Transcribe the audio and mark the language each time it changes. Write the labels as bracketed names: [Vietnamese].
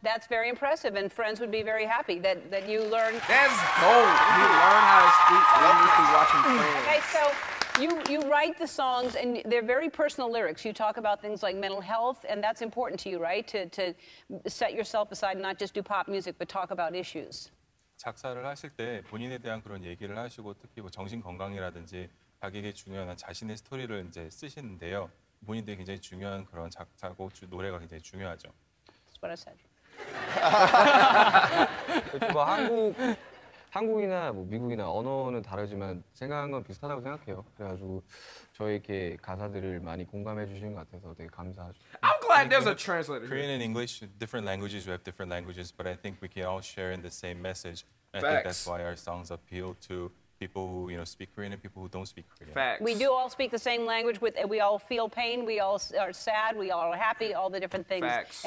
[English] That's very impressive, and friends would be very happy that you learned. That's gold. You learn how to speak English through watching Friends. Okay, so you write the songs, and they're very personal lyrics. You talk about things like mental health, and that's important to you, right? To set yourself aside and not just do pop music, but talk about issues. [Korean] 작사를 하실 때 본인에 대한 그런 얘기를 하시고 특히 뭐 정신 건강이라든지 자기에게 중요한 자신의 스토리를 이제 쓰시는데요. 본인들이 굉장히 중요한 그런 작사고 노래가 굉장히 중요하죠. [English] That's what I said. [Korean] 뭐 한국이나 뭐 미국이나 언어는 다르지만 생각한 건 비슷하다고 생각해요. 그래가지고 저에게 가사들을 많이 공감해 주신 것 같아서 되게 감사하죠. [English] I'm glad there's a translator. Korean and English, different languages. We have different languages, but I think we can all share in the same message. Facts. I think that's why our songs appeal to people who, you know, speak Korean and people who don't speak Korean. Facts. We do all speak the same language. We all feel pain. We all are sad. We all are happy. All the different things. Facts.